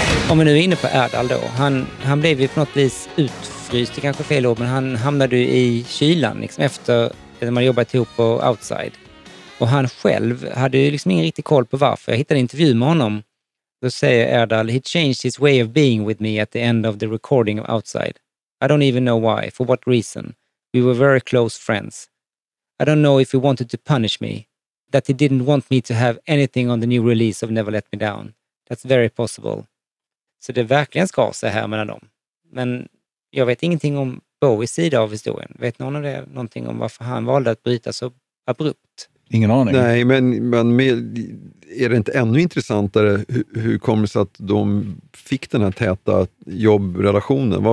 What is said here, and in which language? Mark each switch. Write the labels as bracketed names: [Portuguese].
[Swedish] Om vi nu är inne på Erdal då. Han blev ju på något vis utfryst, det kanske fel ord, men han hamnade ju i kylan liksom efter när man jobbat ihop på Outside. Och han själv hade ju liksom ingen riktig koll på varför. Jag hittade en intervju med honom. Då säger Erdal, [English] he changed his way of being with me at the end of the recording of Outside. I don't even know why, for what reason. We were very close friends. I don't know if he wanted to punish me. That he didn't want me to have anything on the new release of Never Let Me Down. That's very possible. [Swedish] Så det verkligen ska se här mellan dem. Men jag vet ingenting om Bowies sida av historien. Vet någon av det någonting om varför han valde att bryta så abrupt? Ingen aning. Nej, men är det inte ännu intressantare hur kommer det sig att de fick den här täta jobbrelationen?